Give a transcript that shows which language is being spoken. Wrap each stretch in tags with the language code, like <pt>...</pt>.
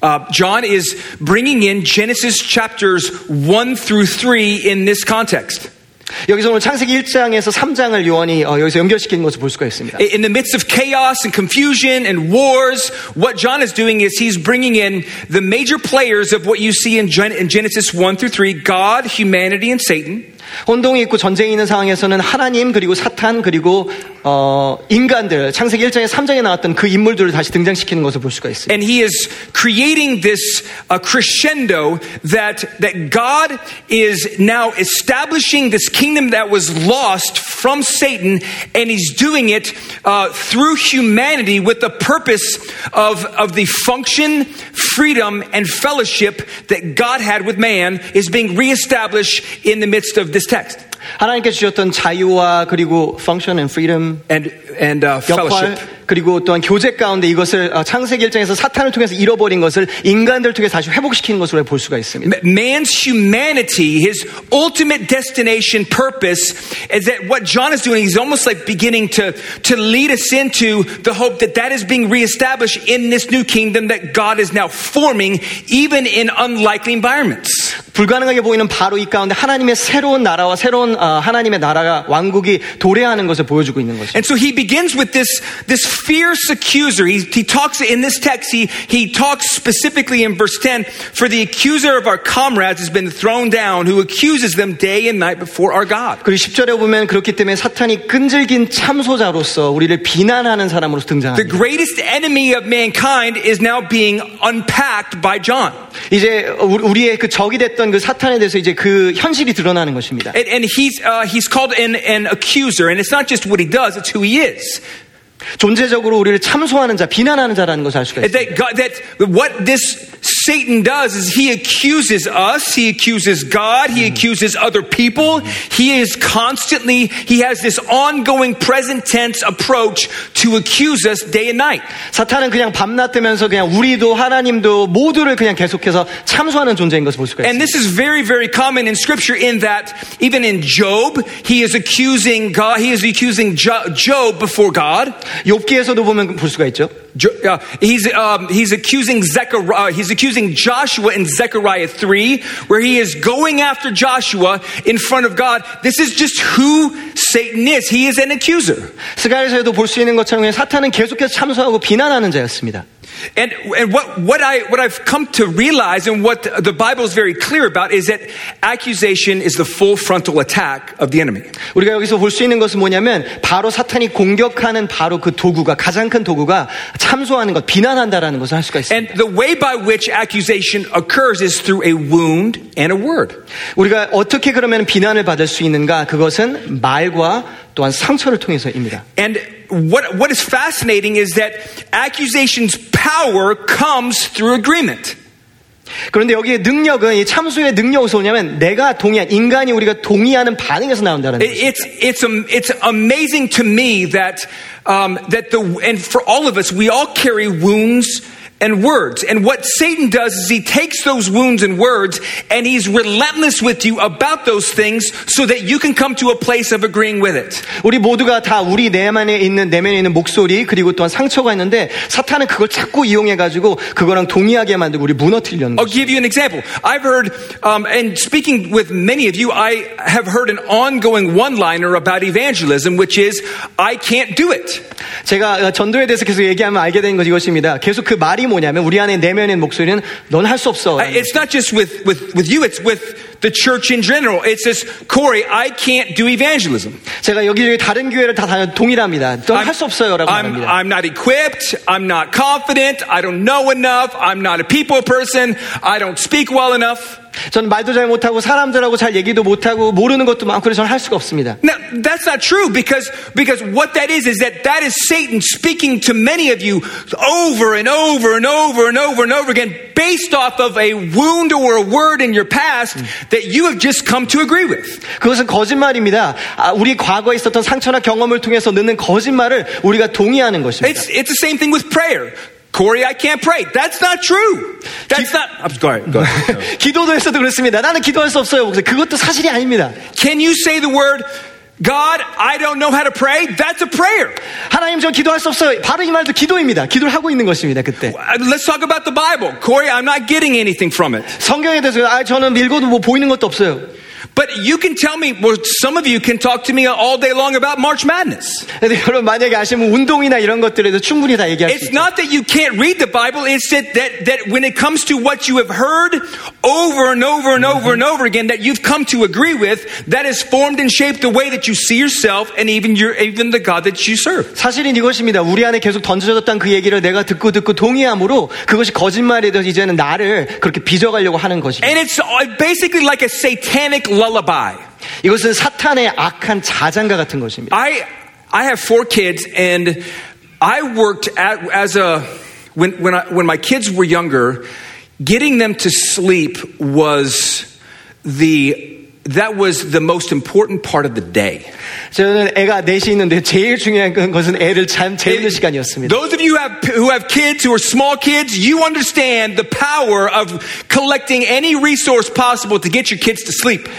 <en>John is bringing in Genesis chapters 1 through 3 in this context.</en> <ko>여기서 오늘 창세기 1장에서 3장을 요한이 여기서 연결시키는 것을 볼 수가 있습니다.</ko> <en>In the midst of chaos and confusion and wars, what John is doing is he's bringing in the major players of what you see in Genesis 1 through 3, God, humanity, and Satan.</en> <ko>혼동이 있고 전쟁이 있는 상황에서는 하나님 그리고 사탄 그리고 인간들 창세기 1장에 3장에 나왔던 그 인물들을 다시 등장시키는 것을 볼 수가 있습니다.</ko> <en>And he is creating this crescendo that God is now establishing this kingdom that was lost from Satan, and he's doing it through humanity with the purpose of the function, freedom, and fellowship that God had with man is being reestablished in the midst of this text.</en> <ko>하나님께서 주셨던 자유와 그리고</ko> <en>function and freedom and fellowship.</en> <ko>그리고 또한 교제 가운데 이것을 창세기 1장에서 사탄을 통해서 잃어버린 것을 인간들 통해서 다시 회복시킨 것으로 볼 수가 있습니다.</ko> <en>Man's humanity, his ultimate destination, purpose, is that what John is doing? He's almost like beginning to lead us into the hope that that is being reestablished in this new kingdom that God is now forming, even in unlikely environments.</en> <ko>불가능하게 보이는 바로 이 가운데 하나님의 새로운 나라와 새로운 하나님의 나라가 왕국이 도래하는 것을 보여주고 있는 것입니다.</ko> <en>And so he begins with this fierce accuser. He talks in this text, he talks specifically in verse 10, for the accuser of our comrades has been thrown down, who accuses them day and night before our God.</en> <ko>그리고 10절에 보면 그렇기 때문에 사탄이 끈질긴 참소자로서 우리를 비난하는 사람으로 등장합니다.</ko> <en>The greatest enemy of mankind is now being unpacked by John.</en> <ko>이제 우리의 그 적이 했던 그 사탄에 대해서 이제 그 현실이 드러나는 것입니다.</ko> <en>And he's called an accuser, and it's not just what he does; it's who he is.</en> <ko>존재적으로 우리를 참소하는 자, 비난하는 자라는 것을 알 수가 있습니다.</ko> <en>That what this Satan does is he accuses us, he accuses God, he accuses other people. He is constantly, he has this ongoing present tense approach to accuse us day and night.</en> <ko>사탄은 그냥 밤낮되면서 그냥 우리도 하나님도 모두를 그냥 계속해서 참소하는 존재인 것을 볼 수가 있습니다.</ko> <en>And this is very, very common in Scripture in that even in Job, he is accusing God, he is accusing Job before God.</en> <ko>욥기에서도 보면 볼 수가 있죠.</ko> <en>He's accusing Joshua in Zechariah 3, where he is going after Joshua in front of God. This is just who Satan is. He is an accuser.</en> <ko>스가랴서에도 볼 수 있는 것처럼 사탄은 계속해서 참소하고 비난하는 자였습니다.</ko> <en>And what I've come to realize, and what the Bible is very clear about, is that accusation is the full frontal attack of the enemy.</en> <ko>우리가 여기서 볼 수 있는 것은 뭐냐면 바로 사탄이 공격하는 바로 그 도구가 가장 큰 도구가 참소하는 것, 비난한다라는 것을 할 수가 있습니다.</ko> <en>And the way by which accusation occurs is through a wound and a word.</en> <ko>우리가 어떻게 그러면 비난을 받을 수 있는가? 그것은 말과 또한 상처를 통해서입니다.</ko> <en>And what is fascinating is that accusation's power comes through agreement.</en> <ko>그런데 여기에 능력은 이 참소의 능력에서 오냐면 내가 동의한 인간이 우리가 동의하는 반응에서 나온다는 거죠.</ko> <en>It's amazing to me that for all of us, we all carry wounds and words. And what Satan does is he takes those wounds and words and he's relentless with you about those things so that you can come to a place of agreeing with it.</en> <ko>우리 모두가 다 우리 내면에 있는 목소리 그리고 또한 상처가 있는데 사탄은 그걸 자꾸 이용해 가지고 그거랑 동의하게 만들고 우리 무너뜨리려는 거죠.</ko> <en>I'll give you an example. I've heard and speaking with many of you, I have heard an ongoing one-liner about evangelism, which is I can't do it.</en> <ko>제가 전도에 대해서 계속 얘기하면 알게 되는 것이 이것입니다. 계속 그 말이 뭐냐면 우리 안에 내면의 목소리는 넌 할 수 없어.</ko> <en>It's not just with you, it's with the church in general. It's just, Corey, I can't do evangelism.</en> <ko>제가 여기저기 다른 교회를 다 다녀도 동일합니다. 넌 할 수 없어요라고 말합니다.</ko> <en>I'm not equipped. I'm not confident. I don't know enough. I'm not a people person. I don't speak well enough.</en> <ko>저는 말도 잘 못하고 사람들하고 잘 얘기도 못하고 모르는 것도 많고 그래서 저는 할 수가 없습니다.</ko> <en>Now, that's not true because what that is that is Satan speaking to many of you over and over and over and over and over again based off of a wound or a word in your past that you have just come to agree with.</en> <ko>그것은 거짓말입니다. 우리 과거에 있었던 상처나 경험을 통해서 넣는 거짓말을 우리가 동의하는 것입니다.</ko> <en>It's the same thing with prayer. Corey, I can't pray. That's not true. That's not. I'm sorry. Go ahead.</en> <ko>기도도 했어도 그렇습니다. 나는 기도할 수 없어요. 목사. 그것도 사실이 아닙니다.</ko> <en>Can you say the word, God, I don't know how to pray? That's a prayer.</en> <ko>하나님, 저 기도할 수 없어요. 바로 이 말도 기도입니다. 기도를 하고 있는 것입니다. 그때.</ko> <en>Let's talk about the Bible. Corey, I'm not getting anything from it.</en> <ko>성경에 대해서 저는 읽어도 뭐 보이는 것도 없어요.</ko> <en>But you can tell me, well, some of you can talk to me all day long about March Madness.</en> <ko>여러분 만약에 아시면 운동이나 이런 것들에도 충분히 다 얘기할 수 있어요.</ko> <en>It's not that you can't read the Bible. It's that when it comes to what you have heard over and over and over and over again that you've come to agree with, that has formed and shaped the way that you see yourself and even the God that you serve.</en> <ko>사실은 이것입니다. 우리 안에 계속 던져졌던 그 얘기를 내가 듣고 동의함으로 그것이 거짓말이든 이제는 나를 그렇게 빚어가려고 하는 것이죠.</ko> <en>And it's basically like a satanic lullaby.</en> <ko>이것은 사탄의 악한 자장가 같은 것입니다.</ko> <en>I have four kids and I worked when my kids were younger, getting them to sleep was the That was the most important part of the day.</en> <ko>저는 애가 넷이 있는데 제일 중요한 것은 애를 잠 재우는 시간이었습니다.</ko> <en>Those of you who have kids who are small kids, you understand the power of collecting any resource possible to get your kids to sleep.</en>